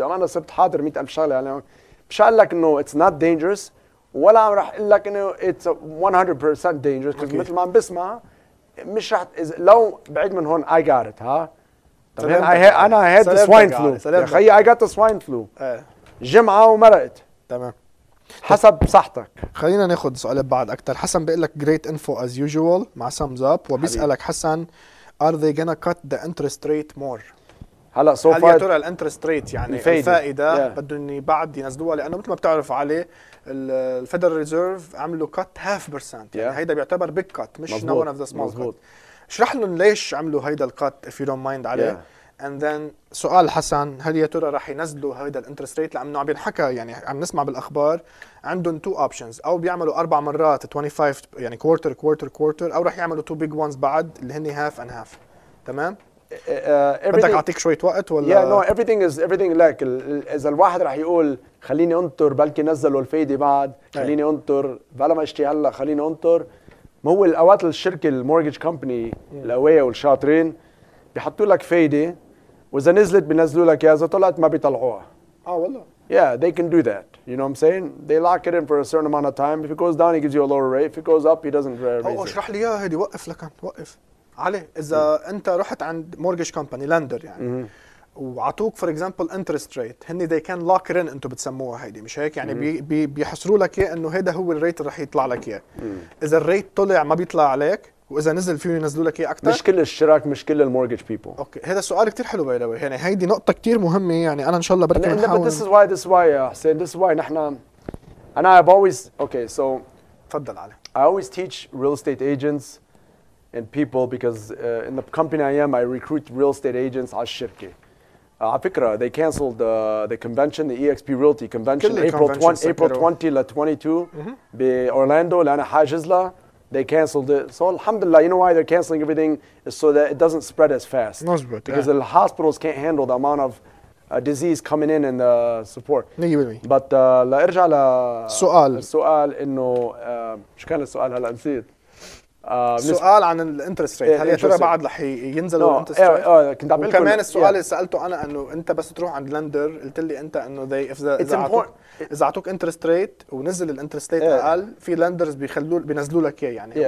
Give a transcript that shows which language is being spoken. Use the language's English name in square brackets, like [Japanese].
[Arabic] انا صرت حاضر 100,000 شغله يعني مش هقول لك انه [English] it's not dangerous, [Arabic] ولا راح اقول لك انه [English] it's 100% dangerous. okay. [Arabic] مثل ما عم بسمع مش راح لو بعيد من هون [English] I got it. [Arabic] ها طبعاً انا [English] had the swine flu [Arabic] خي [English] I got the swine flu [Arabic] جمعه ومرقت تمام حسب صحتك. خلينا ناخد سؤال بعد اكتر. حسن بيقول لك [English] great info as usual [Arabic] مع thumbs up. وبيسألك حسن [English] are they gonna cut the interest rate more؟ [Arabic] هلا so far هل يا ترى الانترست ريت يعني الفايدة, الفائدة yeah. بدهم بعد ينزلوها, لانه مثل ما بتعرف عليه الفيدرال ريزيرف عملوا cut 0.5%. يعني هيدا بيعتبر [English] big cut [Arabic] مش مزبوط. [English] none of the small cut. [Arabic] اشرح لهم ليش عملوا هيدا الكات [English] if you don't mind [Arabic] عليه. [English] yeah. And then [Arabic] سؤال حسن, هل يا ترى راح ينزلوا هيدا الانترست ريت؟ لانه عم بينحكى يعني عم نسمع بالاخبار عندهم تو اوبشنز, او بيعملوا اربع مرات 25 يعني كوارتر كوارتر كوارتر, او راح يعملوا تو بيج وانز بعد اللي هن هاف اند هاف. تمام. بدك اعطيك شويه وقت ولا؟ [English] yeah, no, everything is everything like [Arabic] اذا الواحد راح يقول خليني انطر بلكي نزلوا الفايده بعد, خليني انطر بلا ما اشتري هلا خليني انطر. ما هو الاوقات الشركه المورجج كومباني القويه والشاطرين بيحطوا لك فايدة, وإذا نزلت بينزلوا لك إياها, إذا طلعت ما بيطلعوها. والله. [English] Yeah, they can do that. You know what I'm saying? They lock it in for a certain amount of time. If it goes down, he gives you a lower rate. If it goes up, he doesn't raise it. [Arabic] اشرح لي إياها هيدي, وقف لك أنت, وقف. علي, إذا أنت رحت عند mortgage company, lender يعني, وعطوك [English] for example [Arabic] interest rate, هني [English] they can lock it in, [Arabic] أنتوا بتسموها هيدي, مش هيك؟ يعني بيحصروا لك إياه إنه هيدا هو الريت اللي رح يطلع لك إياه. إذا الريت طلع ما بيطلع عليك, وإذا نزل فيه ينزلوا لك إيه أكتر؟ مش كل الشراك, مش كل المورجج بيبول. أوكي, هذا سؤال كتير حلو بايدوي. يعني هيدي نقطة كتير مهمة, يعني أنا إن شاء الله بركي نحاول. [English] But this is why, this is why حسين, this is why [Arabic] نحنا أنا [English] I've always okay so [Arabic] تفضل علي. [English] I always teach real estate agents and people because in the company I am I recruit real estate agents [Arabic] على الشركة. على فكرة [English] they canceled the convention, the EXP Realty convention April 20 [Arabic] ل 22 بأورلاندو اللي أنا حاجز لها. [English] They canceled it. So alhamdulillah, you know why they're canceling everything is so that it doesn't spread as fast. [Arabic] مزبوط. [English] Because the hospitals can't handle the amount of disease coming in and the support. But [Arabic] لأرجع لسؤال. السؤال إنه شو كان السؤال هلا نسيت. سؤال عن الانترست ريت، هل يا ترى بعد رح ينزل الانترست ريت؟ كمان السؤال اللي سالته انا انه انت بس تروح عند لندر قلت لي انت انه ذا اذا اعطوك انترست ريت ونزل الانترست ريت اقل في لندرز بينزلوا لك اياه يعني